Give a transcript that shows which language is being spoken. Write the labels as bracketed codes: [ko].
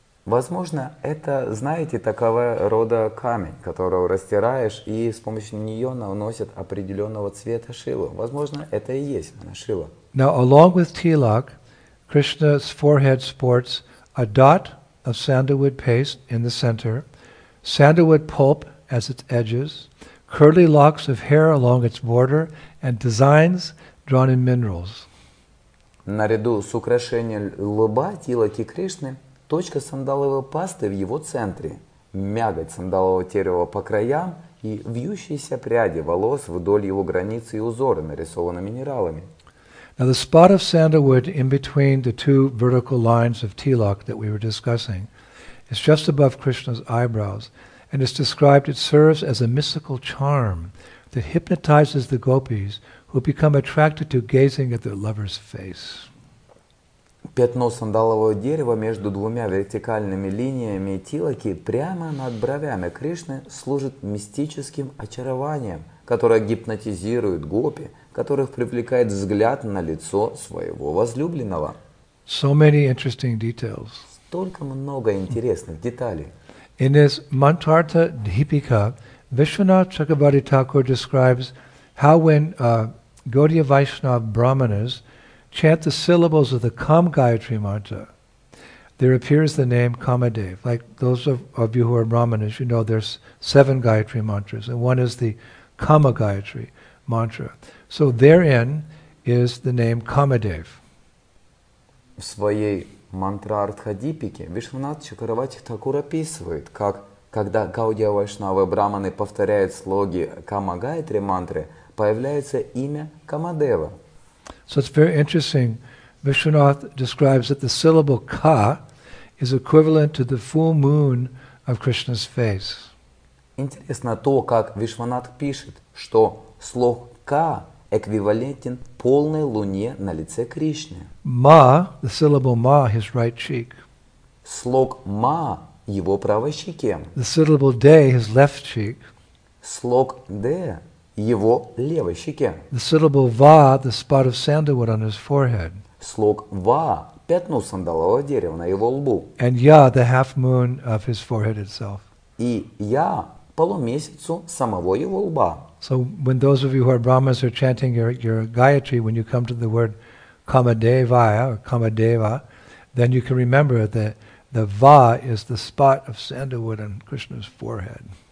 [ru] Возможно, это, знаете, такого рода камень, которого растираешь, и с помощью нее наносят определенного цвета шилу. Возможно, это и есть манашила. [en] Now, along with tilak, Krishna's forehead sports a dot of sandalwood paste in the center, sandalwood pulp as its edges, curly locks of hair along its border, and designs drawn in minerals. [ru] Наряду с украшением лба тилаки Кришны точка сандаловой пасты в его центре, мякоть сандалового дерева по краям и вьющиеся пряди волос вдоль его границы и узоры, нарисованы минералами. [en] Now the spot of sandalwood in between the two vertical lines of tilak that we were discussing is just above Krishna's eyebrows, and it's described it serves as a mystical charm that hypnotizes the gopis who become attracted to gazing at their lover's face. [ru] Пятно сандалового дерева между двумя вертикальными линиями тилаки прямо над бровями Кришны служит мистическим очарованием, которое гипнотизирует гопи, которых привлекает взгляд на лицо своего возлюбленного. [en] So many interesting details. [ru] Столько много интересных деталей. [en] In his Mantartha Dipika, Vishwanath Chakravarti Thakur describes how when Gaudiya Vaishnava Brahmanas chant the syllables of the Kam Gayatri Mantra, there appears the name Kamadev. Like those of you who are Brahmanas, you know there's seven Gayatri Mantras, and one is the Kama Gayatri Mantra. So therein is the name Kamadev. [ru] В своей мантра Артхадипике Вишванат Чакаравати Такур описывает, как когда Гаудия Вайшнавы Брахманы повторяют слоги Кама Гайатри Мантры, появляется имя Камадева. [en] So it's very interesting. Vishwanath describes that the syllable ka is equivalent to the full moon of Krishna's face. [ru] Интересно то, как Вишванат пишет, что слог ка эквивалентен полной луне на лице Кришны. [en] Ma, the syllable ma, his right cheek. [ru] Слог ma, его правой щеке. [en] The syllable de, his left cheek. [ru] Слог de, его левой щеке. [en] The syllable va, the spot of sandalwood on his forehead. [ru] Слог va, пятно сандалового дерева на его лбу. [en] And ya, the half moon of his forehead itself. [ru] И ya, полумесяцу самого его лба. [en] So when those of you who are Brahmas are chanting your Gayatri, when you come to the word Kamadevaya or Kamadeva, then you can remember that the va is the spot of sandalwood on Krishna's forehead.